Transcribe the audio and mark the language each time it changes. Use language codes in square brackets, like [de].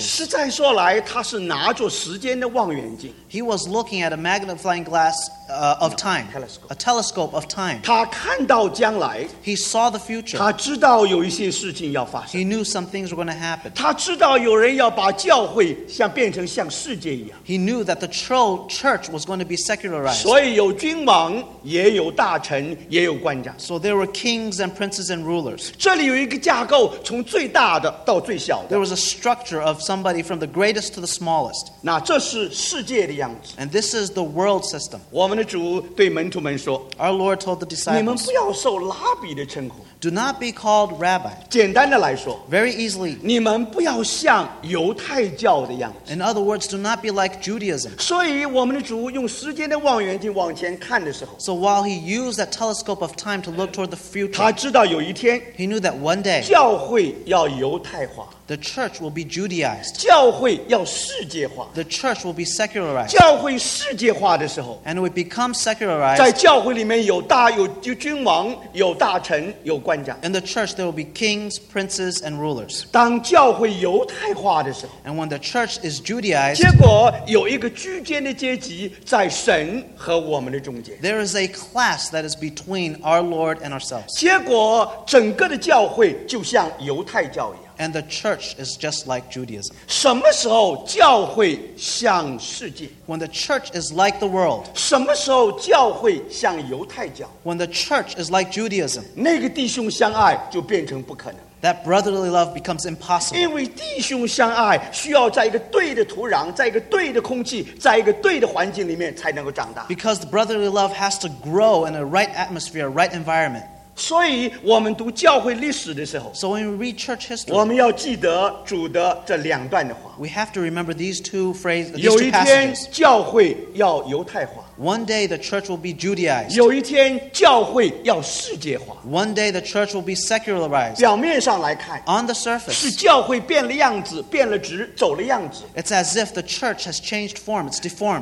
[zh] 实在说来，他是拿着时间的望远镜。 [en] He was looking at a magnifying glass of time, telescope. A telescope of time. [zh] 他看到将来, [en] he saw the future. [zh] 他知道有一些事情要发生, [en] he knew some things were going to happen. [zh] 他知道有人要把教会像变成像世界一样, [en] he knew that the church was going to be secularized. [zh] 所以有君王, 也有大臣, 也有官长。 [en] So there were kings and princes and rulers. [zh] 这里有一个架构, 从最大的到最小的。 [en] There was a structure of somebody from the greatest to the smallest. [zh] 那这是世界的样子。 [en] And this is the world system. [zh] 我们主对门徒们说 [en] Our Lord told the disciples, [zh] 你们不要受拉比的称呼 [en] Do not be called rabbi. [zh] 简单的来说 [en] Very easily, [zh] 你们不要像犹太教的样子 [en] In other words, do not be like Judaism. [zh] 所以我们的主用时间的望远镜往前看的时候 [en] So while he used that telescope of time to look toward the future, [zh] 他知道有一天 [en] He knew that one day, [zh] 教会要犹太化 [en] The church will be Judaized. [zh] 教会要世界化。 [en] The church will be secularized. [zh] 教会世界化的时候。 [en] And it will become secularized. [zh] 在教会里面有大有君王，有大臣，有官长。 [en] In the church there will be kings, princes, and rulers. [zh] 当教会犹太化的时候。 [en] And when the church is Judaized. [zh] 结果有一个居间的阶级在神和我们的中间。 [en] There is a class that is between our Lord and ourselves. [zh] 结果整个的教会就像犹太教一样。 [en] And the church is just like Judaism. [zh] 什么时候教会像世界？ [en] When the church is like the world. [zh] 什么时候教会像犹太教？ [en] When the church is like Judaism. [zh] 那个弟兄相爱就变成不可能。 [en] That brotherly love becomes impossible. [zh] 因为弟兄相爱需要在一个对的土壤，在一个对的空气，在一个对的环境里面才能够长大。 [en] Because the brotherly love has to grow in a right atmosphere, right environment. [zh] 所以我们读教会历史的时候 [en] So when we read church history [zh] 我们要记得主的这两段的话 [en] We have to remember these two phrases [zh] 有一天教会要犹太化 [en] One day the church will be Judaized [zh] 有一天教会要世界化 [en] One day the church will be secularized [zh] 表面上来看 [en] On the surface [zh] 是教会变了样子变了质走了样子 [en] It's as if the church has changed form It's deformed